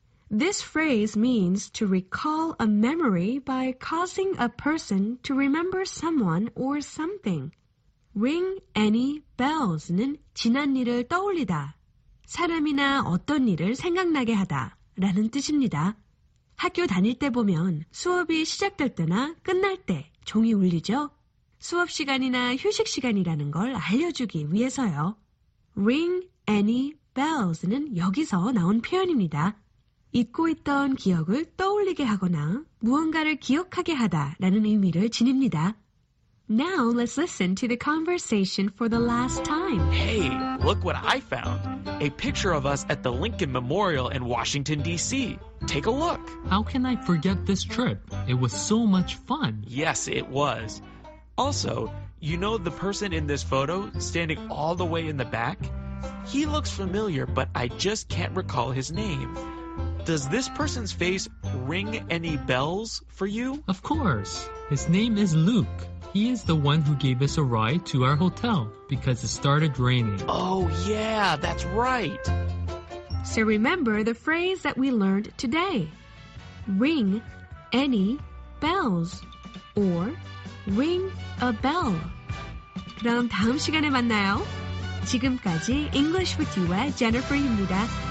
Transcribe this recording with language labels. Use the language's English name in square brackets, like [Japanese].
[English] This phrase means to recall a memory by causing a person to remember someone or something. Ring any bells는 [Korean] 지난 일을 떠올리다, 사람이나 어떤 일을 생각나게 하다 라는 뜻입니다. 학교 다닐 때 보면 수업이 시작될 때나 끝날 때 종이 울리죠? 수업 시간이나 휴식 시간이라는 걸 알려주기 위해서요. [English] Ring any bells는 [Korean] 여기서 나온 표현입니다. 잊고 있던 기억을 떠올리게 하거나 무언가를 기억하게 하다라는 의미를 지닙니다. [English] Now let's listen to the conversation for the last time. Hey, look what I found. A picture of us at the Lincoln Memorial in Washington, D.C. Take a look. How can I forget this trip? It was so much fun. Yes, it was. Also, you know the person in this photo standing all the way in the back? He looks familiar, but I just can't recall his name. Does this person's face ring any bells for you? Of course. His name is Luke. He is the one who gave us a ride to our hotel because it started raining. Oh, yeah, that's right. So remember the phrase that we learned today. Ring any bells or ring a bell. [Korean] 그럼 다음 시간에 만나요. 지금까지 English with You와 Jennifer입니다.